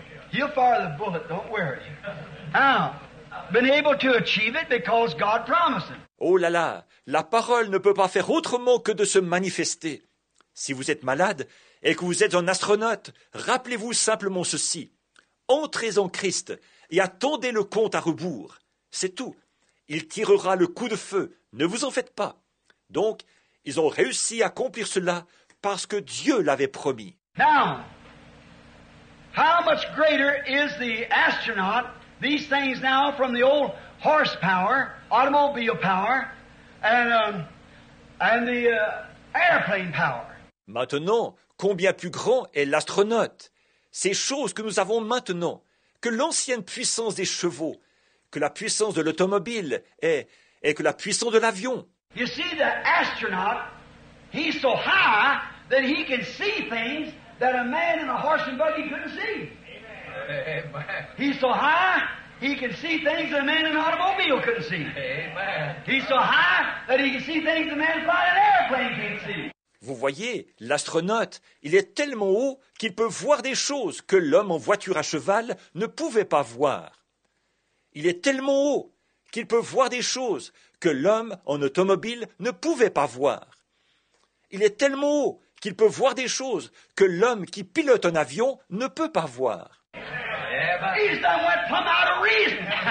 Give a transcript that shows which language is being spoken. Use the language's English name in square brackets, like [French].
[English] He'll fire the bullet, don't worry. Now, been able to achieve it because God promised him. [French] Oh là là, la parole ne peut pas faire autrement que de se manifester. Si vous êtes malade et que vous êtes un astronaute, rappelez-vous simplement ceci. Entrez en Christ et attendez le compte à rebours. C'est tout. Il tirera le coup de feu. Ne vous en faites pas. Donc, ils ont réussi à accomplir cela parce que Dieu l'avait promis. [English] Now, how much greater is the astronaut, these things now from the old horsepower, automobile power, and the airplane power? [French] Maintenant, combien plus grand est l'astronaute? Ces choses que nous avons maintenant, que l'ancienne puissance des chevaux, que la puissance de l'automobile et que la puissance de l'avion. [English] You see, the astronaut, he's so high that he can see things that a man in a horse and buggy couldn't see. Amen. He's so high, he can see things that a man in an automobile couldn't see. Amen. He's so high that he can see things that a man flying an airplane can't see. [French] Vous voyez, l'astronaute, il est tellement haut qu'il peut voir des choses que l'homme en voiture à cheval ne pouvait pas voir. Il est tellement haut qu'il peut voir des choses que l'homme en automobile ne pouvait pas voir. Il est tellement haut qu'il peut voir des choses que l'homme qui pilote un avion ne peut pas voir. [English] He's done what come out of reason.